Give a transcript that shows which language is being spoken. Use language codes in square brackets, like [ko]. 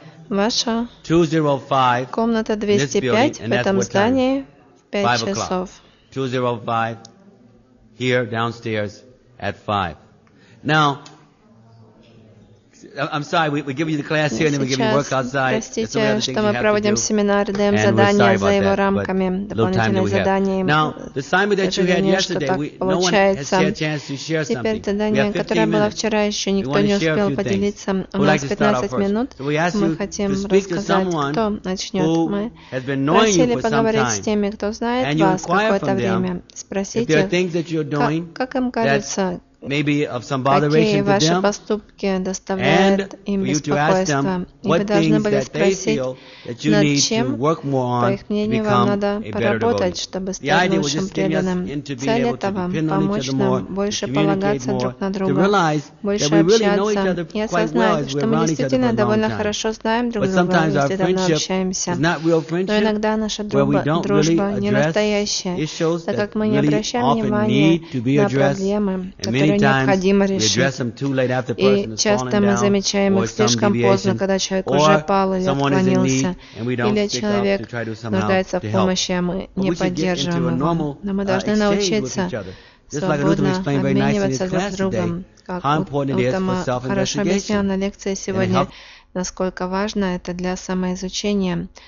[ru] Ваша комната 205 в этом здании в 5 часов. [en] 205 here downstairs at 5. Now, I'm sorry, we give you the class here and then we give you work outside. [ru] Простите, что мы проводим семинар, даем задания за его рамками, дополнительные задания. [en] Now, the assignment that you had yesterday, no one has had a chance to share something. [ru] Теперь задание, которое было вчера, еще никто не успел поделиться. У нас 15 минут. Мы хотим рассказать, кто начнет. Мы просили поговорить с теми, кто знает вас какое-то время. Спросите, как им кажется, [en] maybe of some botheration to them, and for you to ask them what things that they feel that you need to work more on to become a better devotee. The idea was just getting us into being able to depend on each other more, to communicate more, to realize that we really know each other quite well as we're around each other for a long time. But sometimes our friendship is not real friendship, where we don't really address issues that really often need to be addressed, and many [ru] необходимо решить. И часто мы замечаем их слишком поздно, когда человек уже пал или отклонился, или человек нуждается в помощи, а мы не поддерживаем его. Но мы должны научиться свободно обмениваться друг с другом, как Уттама хорошо объяснил на лекции сегодня, насколько важно это для самоизучения.